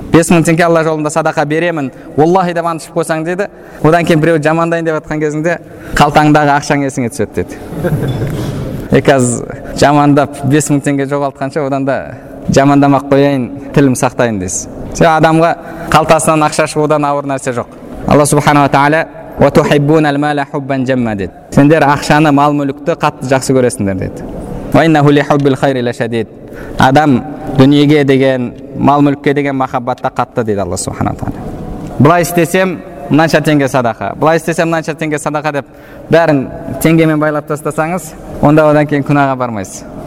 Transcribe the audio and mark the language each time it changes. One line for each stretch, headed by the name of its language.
Kazakh: 5000 теңге Алла жолында садақа беремін, валлахи деп ант ішіп қойсаң деді. Одан кейін біреу жамандайын деп жатқан кезінде, қалтаңдағы ақшаң есіңе түседі деді. Екіз жамандап 5000 теңге жоғалтқанша, одан да жамандамақ қояйын, тілім сақтайын дейсіз. Сен адамға қалтасынан ақша шығудан ауыр нәрсе жоқ. Алла субханаһу тағала
Arabic: وَتُحِبُّونَ الْمَالَ حُبًّا جَمًّا
Kazakh: دید. Сендер ақшаны, мал-мүлікті қатты жақсы көресіңдер деді.
Arabic: وَإِنَّهُ لِحُبِّ الْخَيْرِ لَشَدِيدٌ.
Kazakh: Адам дүниеге деген, мал-мүлікке деген махаббатта қатты дейді Алла субхана тағала. Былай істесем, мынанша теңге садақа. Былай істесем, мынанша теңге садақа деп бәрін теңгемен байлап тастасаңыз, онда одан кейін күнәға бармайсыз.